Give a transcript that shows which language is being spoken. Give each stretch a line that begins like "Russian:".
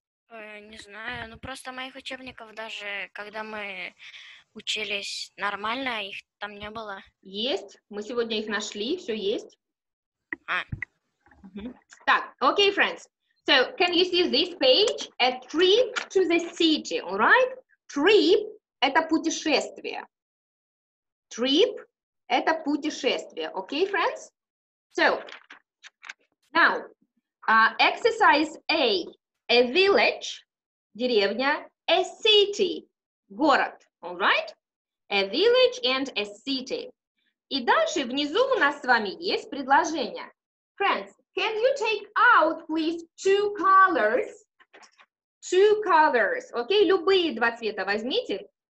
Russian: Не знаю. Ну, просто моих учебников даже, когда мы учились нормально, их там не было. Есть. Мы сегодня их нашли, все есть. А. Угу. Так, окей,
English: friends. So, can you see this page? A trip to the city, all right?
Russian: Trip – это путешествие. Trip – это путешествие.
English: Окей, friends? So, now, exercise A. A village –
Russian: деревня.
English: A city –
Russian: город,
English: all right? A village and a city.
Russian: И дальше внизу у нас с вами есть предложение.
English: Friends, can you take out, please, two colors? Two colors. Okay,
Russian: любые два цвета возьмите.